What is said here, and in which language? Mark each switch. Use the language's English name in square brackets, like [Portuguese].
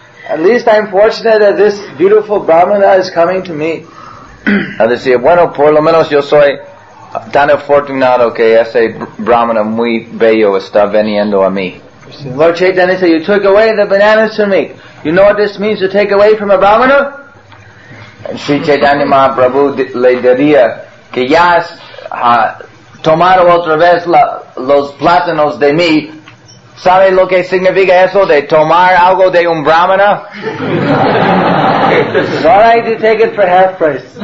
[English] At least I'm fortunate that this beautiful brahmana is coming to me. [Spanish] Él decía, bueno, por lo menos yo soy tan afortunado que ese brahmana muy bello está veniendo a mí. [English] Lord Chaitanya said, you took away the bananas from me. You know what this means to take away from a brahmana? [Spanish] Sri Chaitanya Mahaprabhu le diría que ya has tomado otra vez los plátanos de mí. ¿Sabe lo que significa eso de tomar algo de un brahmana? [English] All right, you take it for half price.